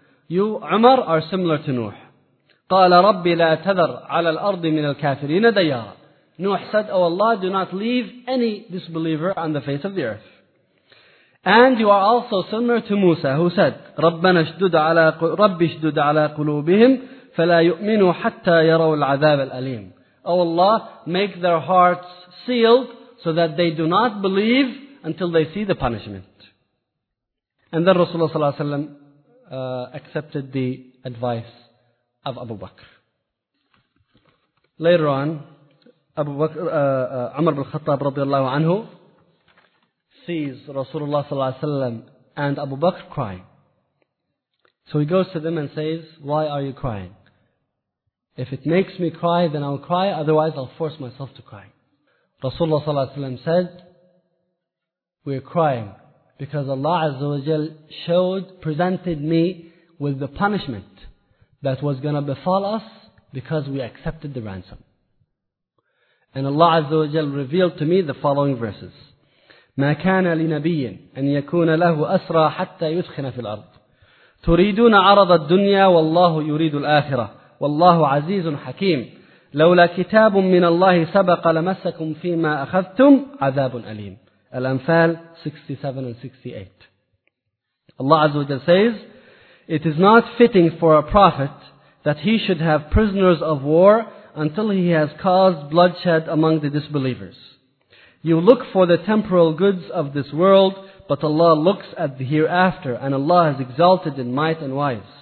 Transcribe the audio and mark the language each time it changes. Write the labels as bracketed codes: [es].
[en] You, Umar, are similar to Nuh. [ar] قَالَ رَبِّ لَا تَذَرْ عَلَى الْأَرْضِ مِنَ الْكَافِرِينَ دَيَّارًا. [en] Nuh said, O Allah, do not leave any disbeliever on the face of the earth. And you are also similar to Musa, who said, [ar] رَبَّنَا اشْدُدْ عَلَىٰ قُلُوبِهِمْ فلا يؤمنوا حتى يروا العذاب الأليم. [en] O Allah, make their hearts sealed so that they do not believe until they see the punishment. And then Rasulullah صلى الله عليه وسلم accepted the advice of Abu Bakr. Later on, Umar bin Khattab رضي الله عنه sees Rasulullah صلى الله عليه وسلم and Abu Bakr crying. So he goes to them and says, "Why are you crying? If it makes me cry, then I'll cry. Otherwise, I'll force myself to cry." Rasulullah صلى الله عليه وسلم said, "We are crying because Allah Azza wa Jal presented me with the punishment that was going to befall us because we accepted the ransom. And Allah Azza wa Jal revealed to me the following verses. [ar] مَا كَانَ لِنَبِيٍ أَنْ يَكُونَ لَهُ أَسْرَى حَتَّى يُدْخِنَ فِي الْأَرْضِ تُرِيدُونَ عَرَضَ الدُّنْيَا وَاللَّهُ يُرِيدُ الْآخِرَةِ والله عزيز حكيم لولا كتاب من الله سبق لمسكم فيما أخذتم عذاب أليم. [en] الأنفال 67 and 68. Allah Azza wa Jalla says, "It is not fitting for a prophet that he should have prisoners of war until he has caused bloodshed among the disbelievers. You look for the temporal goods of this world, but Allah looks at the hereafter, and Allah is exalted in might and wise.